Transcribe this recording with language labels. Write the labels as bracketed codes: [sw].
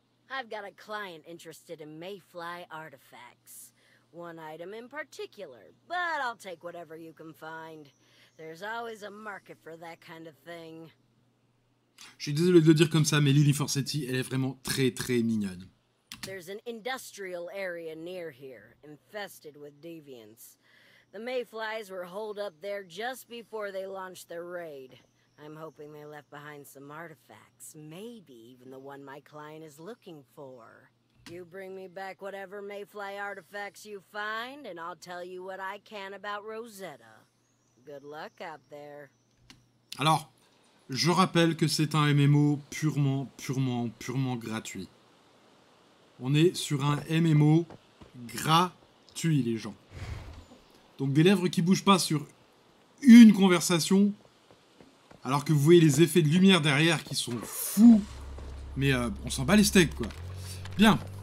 [en] I've got a client interested in Mayfly artifacts. One item in particular, but I'll take whatever you can find. There's always a market for that kind of thing. [fr] Je suis désolé de le dire comme ça, mais Lily Forsetti, elle est vraiment très très mignonne. [en] There's an industrial area near here, infested with deviants. The Mayflies were holed up there just before they launched their raid. I'm hoping they left behind some artifacts, maybe even the one my client is looking for. You bring me back whatever Mayfly artifacts you find, and I'll tell you what I can about Rosetta. Good luck out there. [fr] Alors, je rappelle que c'est un MMO purement gratuit. On est sur un MMO gratuit, les gens. Donc des lèvres qui bougent pas sur une conversation, alors que vous voyez les effets de lumière derrière qui sont fous, mais on s'en bat les steaks, quoi. Bien.